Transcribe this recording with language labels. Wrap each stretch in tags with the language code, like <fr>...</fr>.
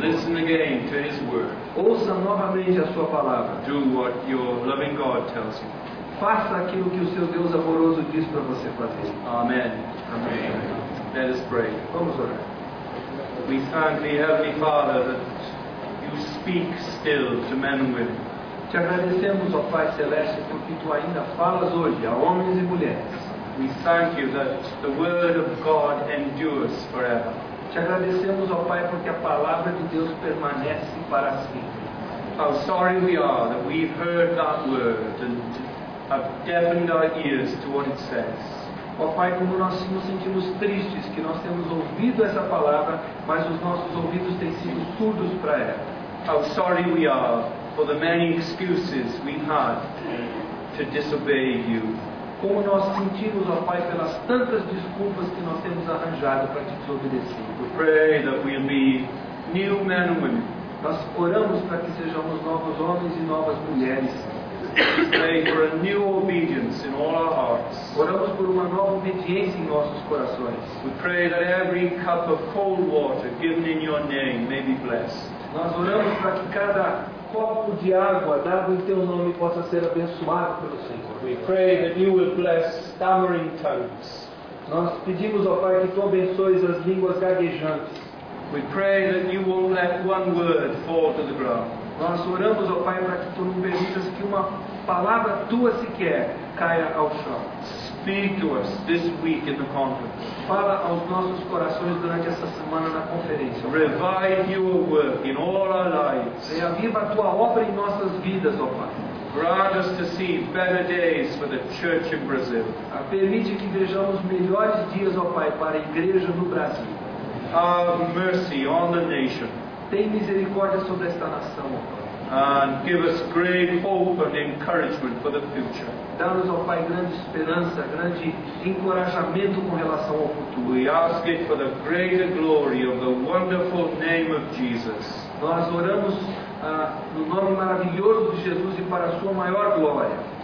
<en>Listen again to his word.</en> <pt>Ouça novamente a sua palavra.</pt> <en>Do what your loving God tells you.</en> <pt>Faça aquilo que o seu Deus amoroso diz para você fazer.</pt> <en>Amen.</en> <pt>Amém.</pt> <en>Let us pray.</en> <pt>Vamos orar.</pt> <en>We thank thee, Heavenly Father, that you speak still to men and women.</en> <pt>Te agradecemos, ó Pai Celeste, porque tu ainda falas hoje a homens e mulheres.</pt> <en>We thank you that the word of God endures forever.</en> <pt>Te agradecemos, ó Pai, porque a palavra de Deus permanece para sempre.</pt> <en>How sorry we are that we've heard that word and have deafened our ears to what it says.</en> <pt>Ó Pai, como nós nos sentimos tristes que nós temos ouvido essa palavra, mas os nossos ouvidos têm sido surdos para ela.</pt> <en>How sorry we are for the many excuses we had to disobey you.</en> <pt>Como nós sentimos, ó Pai, pelas tantas desculpas que nós temos arranjado para te desobedecer.</pt> <en>We pray that we'll be new men and women.</en> <pt>Nós oramos para que sejamos novos homens e novas mulheres.</pt> <en>We pray for a new obedience in all our hearts.</en> <pt>Oramos por uma nova obediência em nossos corações.</pt> <en>We pray that every cup of cold water given in your name may be blessed.</en> <pt>Nós oramos para que cada copo de água dado em teu nome possa ser abençoado pelo Senhor.</pt> <en>We pray that you will bless stammering tongues.</en> <pt>Nós pedimos, ó Pai, que tu abençoes as línguas gaguejantes.</pt> <en>We pray that you won't let one word fall to the ground.</en> <pt>Nós oramos, ó Pai, para que tu não permitas que uma palavra tua sequer caia ao chão.</pt> <en>Speak to us this week in the conference.</en> <pt>Fala aos nossos corações durante essa semana na conferência.</pt> <en>Revive your work in all our lives.</en> <pt>Reaviva a tua obra em nossas vidas, ó Pai.</pt> <en>Grant us to see better days for the church in Brazil.</en> <pt>Permite que vejamos melhores dias, ó Pai, para a igreja no Brasil.</pt> <en>Have mercy on the nation.</en> <pt>Tem misericórdia sobre esta nação, ó Pai.</pt> <en>and give us great hope and encouragement for the future.</en> <pt>Dá-nos, ó Pai, grande esperança, grande encorajamento com relação ao futuro.</pt> <en>We ask it for the greater glory of the wonderful name of Jesus.</en> <pt>Nós oramos no nome maravilhoso de Jesus e para a sua maior glória.</pt>